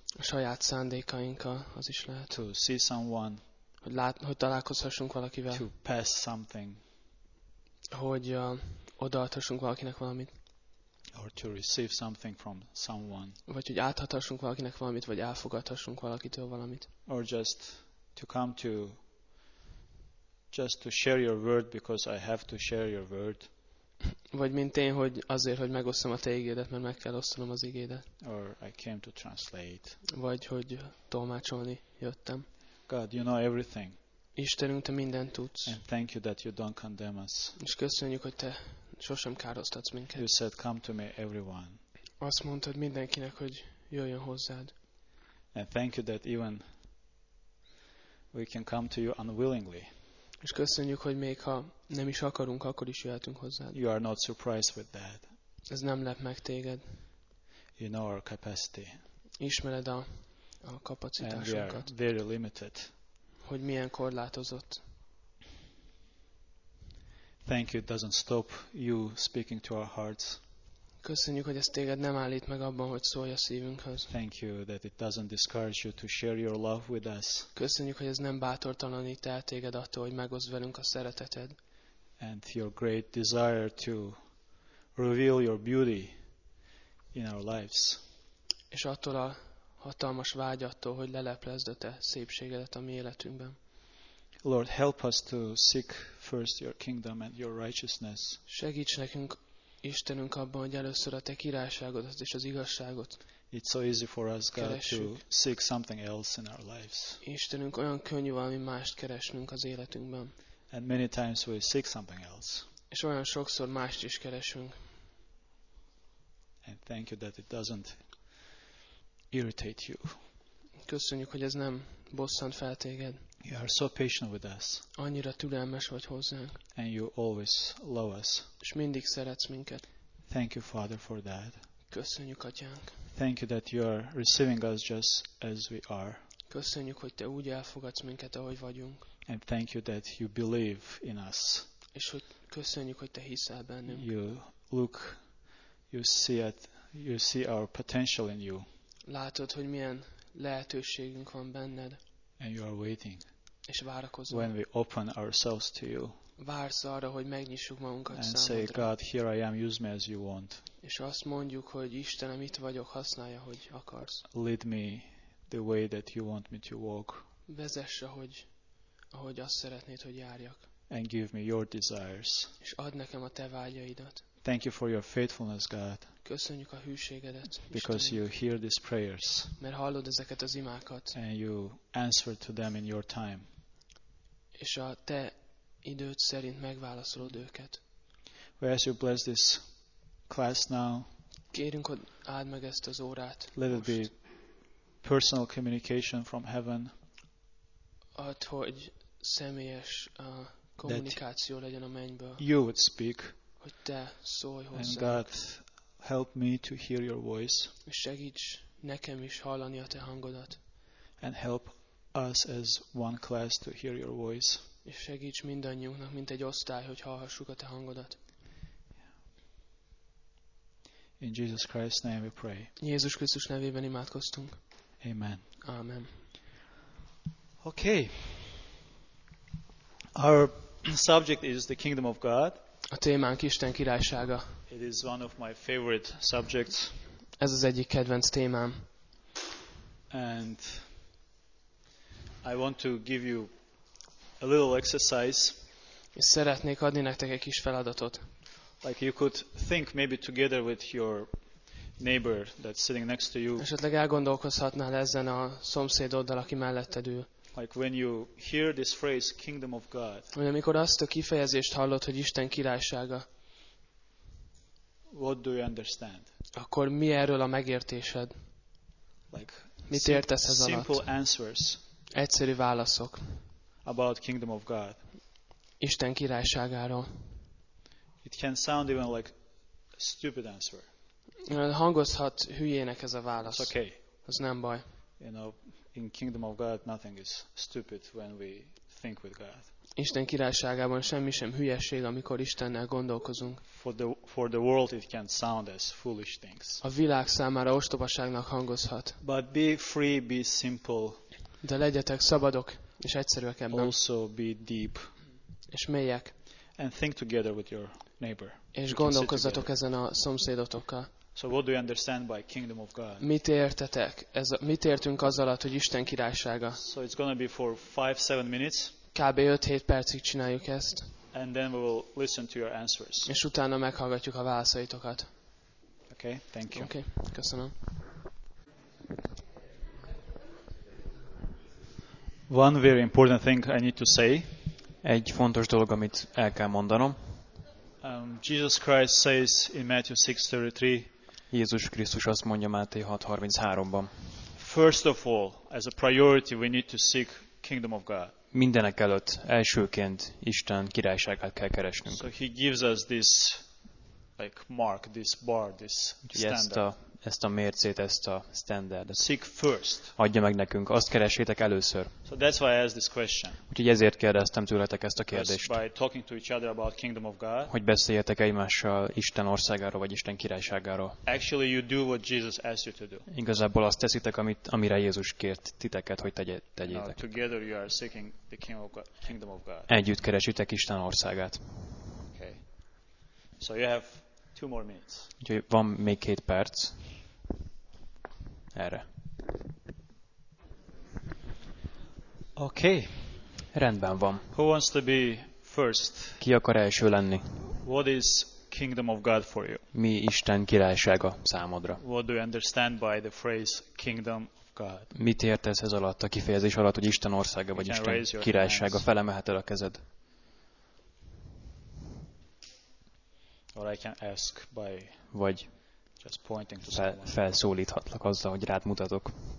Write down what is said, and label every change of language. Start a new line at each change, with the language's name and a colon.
Hungarian: A saját szándékainkkal, az is lehet.
English: To see someone,
Hungarian: hogy találkozhassunk valakivel.
English: To pass something,
Hungarian: hogy odaadhassunk valakinek valamit.
English: Or to receive something from someone.
Hungarian: Vagy hogy áthatassunk valakinek valamit, vagy elfogadhassunk valakitől valamit.
English: Or just to share your word because I have to share your word.
Hungarian: Vagy mint én, hogy azért, hogy megosztom a te igédet, mert meg kell osztanom az igédet.
English: Or I came to translate.
Hungarian: Vagy hogy tolmácsolni jöttem.
English: God, you know everything.
Hungarian: Istenünk, te mindent tudsz.
English: And thank you that you don't condemn us.
Hungarian: És köszönjük, hogy te sosem károsztatsz minket.
English: You said, come to me, everyone.
Hungarian: Azt mondtad mindenkinek, hogy jöjjön hozzád.
English: And thank you that even we can come to you unwillingly.
Hungarian: És köszönjük, hogy még ha nem is akarunk, akkor is jöhetünk hozzád.
English: You are not surprised with that.
Hungarian: Ez nem lep meg téged.
English: You know our capacity.
Hungarian: Ismered a kapacitásunkat.
English: And we are very limited.
Hungarian: Hogy milyen korlátozott.
English: Thank you, it doesn't stop you speaking to our hearts.
Hungarian: Köszönjük, hogy ez téged nem állít meg abban, hogy szólj a szívünkhöz.
English: Thank you that it doesn't discourage you to share your love with us.
Hungarian: Köszönjük, hogy ez nem bátortalanít el téged attól, hogy megoszd velünk a szereteted.
English: And your great desire to reveal your beauty in our lives.
Hungarian: És attól a hatalmas vágyattól, hogy leleplezd a te szépségedet a mi életünkben.
English: Lord, help us to seek first your kingdom and your righteousness.
Hungarian: Segíts nekünk, Istenünk, abban, hogy először a te királyságodat és az igazságot.
English: It's so easy for us, God, to seek something else in our lives.
Hungarian: Istenünk, olyan könnyű valami mást keresnünk az életünkben.
English: And many times we seek something else.
Hungarian: És olyan sokszor mást is keresünk.
English: And thank you that it doesn't irritate you.
Hungarian: Köszönjük, hogy ez nem bosszant fel téged.
English: You are so patient with us.
Hungarian: Annyira türelmes vagy hozzánk.
English: And you always love us.
Hungarian: És mindig szeretsz minket.
English: Thank you, Father, for that.
Hungarian: Köszönjük, Atyánk.
English: Thank you that you are receiving us just as we are.
Hungarian: Köszönjük, hogy te úgy elfogadsz minket, ahogy vagyunk.
English: And thank you that you believe in us.
Hungarian: És hogy köszönjük, hogy te hiszel bennünk.
English: You see our potential in you.
Hungarian: Látod, hogy milyen lehetőségünk van benned.
English: And you are waiting.
Hungarian: És várakozol.
English: When we open ourselves to you.
Hungarian: vársz arra, hogy megnyissuk magunkat
English: and
Hungarian: számodra.
English: Say, God, here I am, use me as you want.
Hungarian: És azt mondjuk, hogy Istenem, itt vagyok, használja, hogy akarsz.
English: Lead me the way that you want me to walk.
Hungarian: Vezess, ahogy azt szeretnéd, hogy járjak.
English: And give me your desires.
Hungarian: És add nekem a te vágyaidat.
English: Thank you for your faithfulness, God.
Hungarian: Köszönjük a hűségedet, Istenem.
English: Because you hear these prayers.
Hungarian: Mert hallod ezeket az imákat.
English: And you answer to them in your time.
Hungarian: És a te időd szerint megválaszolod őket.
English: We ask you bless this class now.
Hungarian: Kérünk, hogy áld meg ezt az órát.
English: Let
Hungarian: most.
English: It be personal communication from heaven.
Hungarian: Add, hogy személyes kommunikáció legyen a mennyből.
English: You would speak.
Hungarian: Hogy te szólj hozzá.
English: And God, help me to hear your voice.
Hungarian: És segíts nekem is hallani a te hangodat.
English: And help us as one class to hear your voice.
Hungarian: És segíts mindannyiunknak, mint egy osztály, hogy hallhassuk a te hangodat.
English: In Jesus Christ's name we pray.
Hungarian: Jézus Krisztus nevében imádkoztunk.
English: Amen.
Hungarian: Amen.
English: Okay. Our subject is the kingdom of God.
Hungarian: A témánk Isten királysága.
English: It is one of my favorite subjects.
Hungarian: Ez az egyik kedvenc témám.
English: And I want to give you a little exercise.
Hungarian: És szeretnék adni nektek egy kis feladatot.
English: Like you could think maybe together with your neighbor that's sitting next to you.
Hungarian: Esetleg elgondolkozhatnál ezen a szomszédoddal, aki melletted ül.
English: Like when you hear this phrase, kingdom of God.
Hungarian: Amikor azt a kifejezést hallod, hogy Isten királysága.
English: What do you understand?
Hungarian: Akkor mi erről a megértésed?
English: Like
Hungarian: mit értesz ez
English: simple
Hungarian: alatt?
English: Simple answers.
Hungarian: Egyszerű válaszok.
English: About kingdom of God.
Hungarian: Isten királyságáról.
English: It can sound even like a stupid answer.
Hungarian: Hangozhat hülyének ez a válasz.
English: It's okay.
Hungarian: Ez nem baj.
English: You know, in kingdom of God nothing is stupid when we think with God.
Hungarian: Isten királyságában semmi sem hülyeség, amikor Istennel gondolkozunk.
English: For the world it can sound as foolish things.
Hungarian: A világ számára ostobaságnak hangozhat.
English: But be free, be simple.
Hungarian: De legyetek szabadok és egyszerűek ebben.
English: Also be deep.
Hungarian: És mélyek.
English: And think together with your neighbor.
Hungarian: És gondolkozzatok ezen a szomszédotokkal.
English: So what do you understand by kingdom of God?
Hungarian: Mit értetek? Mit értünk az alatt, hogy Isten királysága?
English: So it's gonna be for 5-7 minutes.
Hungarian: Kb. 5-7 percig csináljuk ezt.
English: And then we will listen to your answers.
Hungarian: És utána meghallgatjuk a válaszaitokat.
English: Okay, thank you.
Hungarian: Okay, köszönöm.
English: One very important thing I need to say.
Hungarian: Egy fontos dolog, amit el kell mondanom.
English: Jesus Christ says in Matthew 6:33.
Hungarian: Jézus Krisztus azt mondja Máté 6:33-ban.
English: First of all, as a priority, we need to seek kingdom of God.
Hungarian: Mindenek előtt elsőként Isten királyságát kell keresnünk.
English: So he gives us this like mark, this bar, this standard.
Hungarian: Ezt a mércét, ezt a standardet.
English: Seek first.
Hungarian: Adja meg nekünk, azt keresétek először.
English: So that's why I asked this question.
Hungarian: Úgyhogy ezért kérdeztem tőletek ezt a kérdést.
English: By talking to each other about kingdom of God.
Hungarian: Hogy beszéljetek egymással Isten országáról vagy Isten királyságáról.
English: Actually you do what Jesus asked you to do.
Hungarian: Igazából azt teszitek, amire Jézus kért titeket, hogy tegyétek.
English: Now, together you are seeking the kingdom of God.
Hungarian: Együtt keresitek Isten országát.
English: Okay. So you have two more minutes.
Hungarian: Úgyhogy van még 2 perc. Erre.
English: Okay.
Hungarian: Rendben van.
English: Who wants to be first?
Hungarian: Ki akar első lenni?
English: What is kingdom of God for you?
Hungarian: Mi Isten királysága számodra?
English: What do you understand by the phrase kingdom of God?
Hungarian: Mit értesz ez alatt, a kifejezés alatt, hogy Isten országa vagy Isten királysága? Felemelheted a kezed.
English: Or I can ask by
Hungarian: vagy
English: just pointing to
Hungarian: felszólíthatlak azzal, hogy rád mutatok.